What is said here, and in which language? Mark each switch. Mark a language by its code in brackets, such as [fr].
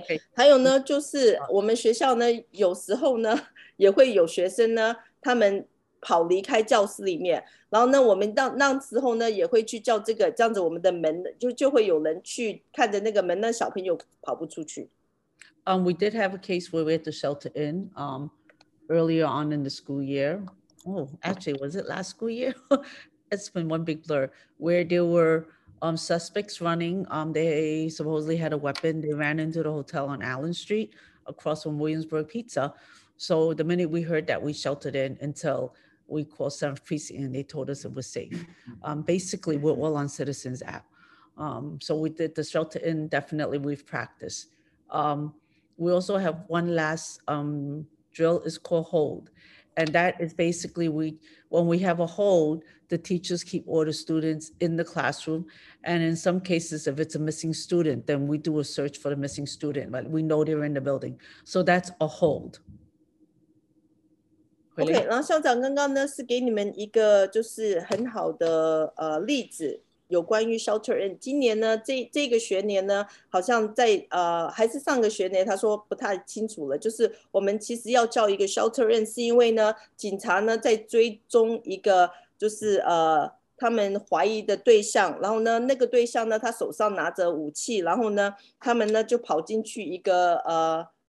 [zh] OK， 还有呢，就是我们学校呢有时候呢也会有学生呢他们跑离开教室里面，然后呢我们到那时候呢也会去叫这个，这样子我们的门就会有人去看着那个门，那小朋友跑不出去。 [en] We did have a case where we had to shelter in earlier on in the school year. Oh, actually, was it last school year? It's been one big blur. Where there were suspects running. They supposedly had a weapon. They ran into the hotel on Allen Street across from Williamsburg Pizza. So the minute we heard that, we sheltered in until we called Seventh Precinct and they told us it was safe. Basically, we're all on Citizens app. So we did the shelter in. Definitely, we've practiced. We also have one last drill. It's called hold. And that is basically when we have a hold, the teachers keep all the students in the classroom. And in some cases, if it's a missing student, then we do a search for the missing student, but we know they're in the building. So that's a hold. [zh] Okay, 然后校长刚刚呢是给你们一个就是很好的例子，有关于 shelter in。今年呢这个学年呢好像在还是上个学年他说不太清楚了，就是我们其实要叫一个 shelter in 是因为呢警察呢在追踪一个就是他们怀疑的对象，然后呢那个对象呢他手上拿着武器，然后呢他们呢就跑进去一个